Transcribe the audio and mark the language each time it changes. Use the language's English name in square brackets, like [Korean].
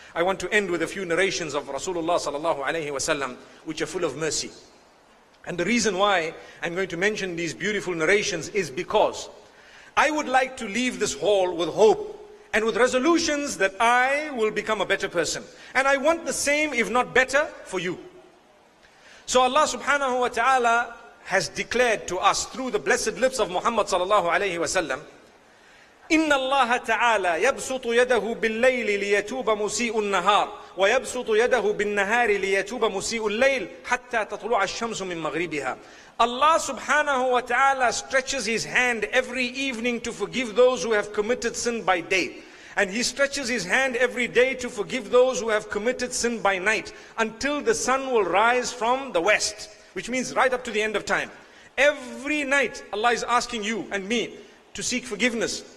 [English] I want to end with a few narrations of Rasulullah sallallahu alayhi wa sallam, which are full of mercy. And the reason why I'm going to mention these beautiful narrations is because I would like to leave this hall with hope and with resolutions that I will become a better person. And I want the same, if not better, for you. So Allah subhanahu wa ta'ala has declared to us through the blessed lips of Muhammad sallallahu alayhi wa sallam, [Arabic] إِنَّ اللَّهَ تَعَالَى يَبْسُطُ يَدَهُ بِاللَّيْلِ لِيَتُوبَ مُسِيءُ النَّهَارِ وَيَبْسُطُ يَدَهُ بِالنَّهَارِ لِيَتُوبَ مُسِيءُ اللَّيْلِ حَتَّى تَطْلُعَ الشَّمْسُ مِنْ مَغْرِبِهَا. [English] Allah subhanahu wa ta'ala stretches His hand every evening to forgive those who have committed sin by day. And He stretches His hand every day to forgive those who have committed sin by night until the sun will rise from the west. Which means right up to the end of time. Every night Allah is asking you and me to seek forgiveness.